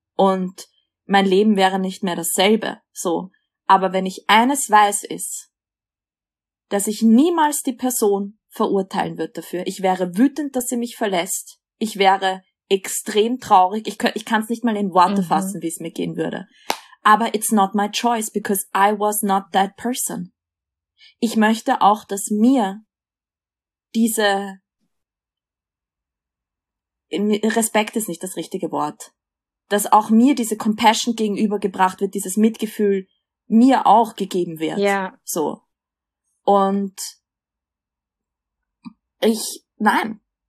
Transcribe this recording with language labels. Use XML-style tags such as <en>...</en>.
<de>Und mein Leben wäre nicht mehr dasselbe. So. Aber wenn ich eines weiß, ist, dass ich niemals die Person verurteilen würde dafür. Ich wäre wütend, dass sie mich verlässt. Ich wäre extrem traurig. Ich kann es nicht mal in Worte fassen, wie es mir gehen würde.</de> <en>Aber it's not my choice, because I was not that person.</en> <de>Ich möchte auch, dass mir diese Respekt ist nicht das richtige Wort. Dass auch mir diese Compassion gegenübergebracht wird, dieses Mitgefühl mir auch gegeben wird. Ja. So. Und ich, nein.</de>